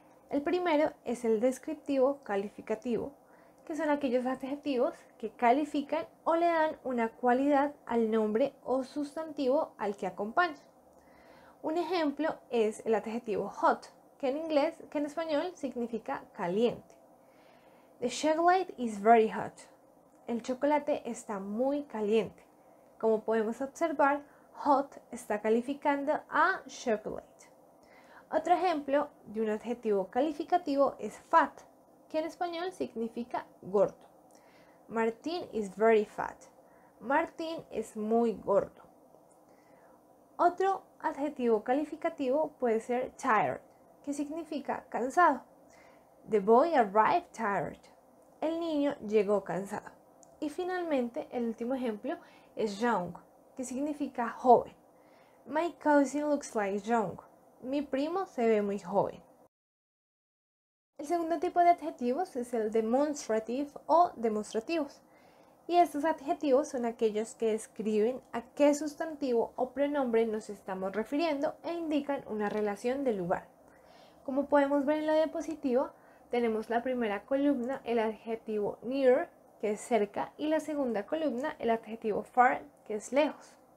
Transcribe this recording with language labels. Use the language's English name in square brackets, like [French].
[Spanish] El primero es el descriptivo calificativo, que son aquellos adjetivos que califican o le dan una cualidad al nombre o sustantivo al que acompaña. Un ejemplo es el adjetivo hot, que en español significa caliente. [English] The chocolate is very hot. [Spanish] El chocolate está muy caliente. Como podemos observar, hot está calificando a chocolate. Otro ejemplo de un adjetivo calificativo es fat, que en español significa gordo. [English] Martin is very fat. Martin [Spanish] es muy gordo. Otro adjetivo calificativo puede ser tired, que significa cansado. [English] The boy arrived tired. [Spanish] El niño llegó cansado. Y finalmente, el último ejemplo es young, que significa joven. [English] My cousin looks like young. [Spanish] Mi primo se ve muy joven. El segundo tipo de adjetivos es el demonstrative o demostrativos. Y estos adjetivos son aquellos que describen a qué sustantivo o pronombre nos estamos refiriendo e indican una relación de lugar. Como podemos ver en la diapositiva, tenemos la primera columna, el adjetivo near, que es cerca, y la segunda columna, el adjetivo far, que es lejos.